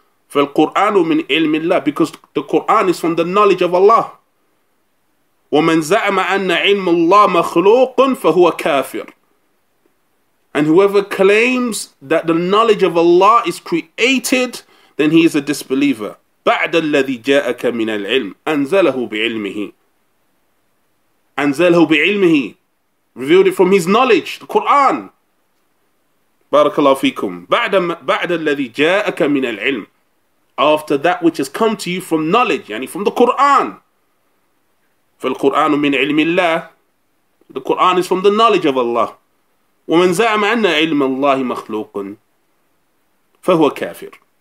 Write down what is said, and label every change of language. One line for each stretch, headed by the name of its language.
Arabic: فَالْقُرْآنُ مِنْ عِلْمِ اللَّهِ,
English: because the Quran is from the knowledge of Allah.
Arabic: وَمَنْ زَعْمَ أَنَّ عِلْمُ اللَّهِ مَخْلُوقٌ فَهُوَ كَافِرٌ.
English: And whoever claims that the knowledge of Allah is created, then he is a disbeliever.
Arabic: بَعْدَ الَّذِي جَاءَكَ مِنَ الْعِلْمِ أَنْزَلَهُ بِعِلْمِهِ أَنْزَلَهُ بِعِلْمِهِ,
English: revealed it from his knowledge, the Qur'an.
Arabic: بَارَكَ اللَّهُ فِيكُمْ بَعْدَ الَّذِي جَاءَكَ مِنَ الْعِلْمِ,
English: after that which has come to you from knowledge, yani from the Qur'an.
Arabic: فَالْقُرْآنُ مِنْ عِلْمِ اللَّهِ,
English: the Qur'an is from the knowledge of Allah.
Arabic: وَمَنْ زَعْمَ أَنَّ عِلْمَ اللَّهِ مَخْلُوقٌ فَهُوَ كَافِرٌ.